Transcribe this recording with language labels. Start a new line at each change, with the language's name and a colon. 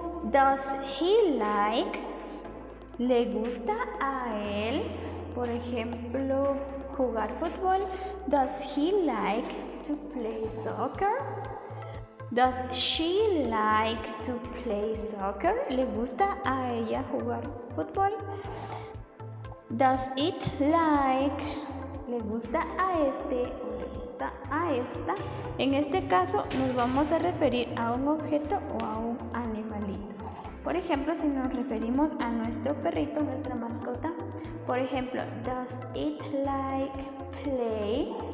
English: Does he like,
Spanish: le gusta a él, por ejemplo, jugar fútbol.
English: Does he like to play soccer? Does she like to play soccer?
Spanish: ¿Le gusta a ella jugar fútbol?
English: Does it like,
Spanish: le gusta a este o le gusta a esta? En este caso nos vamos a referir a un objeto o a un animalito. Por ejemplo, si nos referimos a nuestro perrito, nuestra mascota, por ejemplo,
English: does it like play?